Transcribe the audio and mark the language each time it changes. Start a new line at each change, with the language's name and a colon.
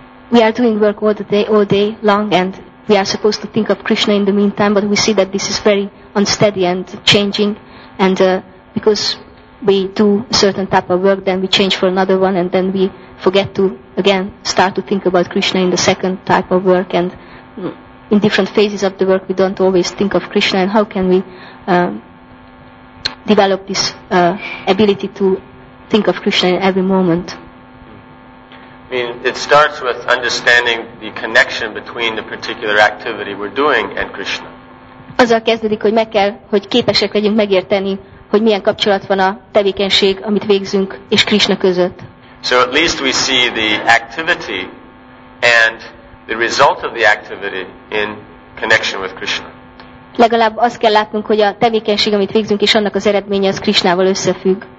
English: We are doing work all day long, and we are supposed to think of Krishna in the meantime, but we see that this is very unsteady and changing, and because we do a certain type of work, then we change for another one, and then we forget to again start to think about Krishna in the second type of work, and in different phases of the work we don't always think of Krishna. And how can we develop this ability to think of Krishna in every moment? I mean, it starts with understanding the connection between the particular activity we're doing and Krishna.
Hungarian: Azzal kezdődik, hogy meg kell, hogy képesek legyünk megérteni, hogy milyen kapcsolat van a tevékenység, amit végzünk, és Krishna között.
English: So at least we see the activity and the result of the activity in connection with Krishna.
Hungarian: Legalább azt kell látnunk, hogy a tevékenység, amit végzünk, és annak az eredménye az Krishnával összefügg.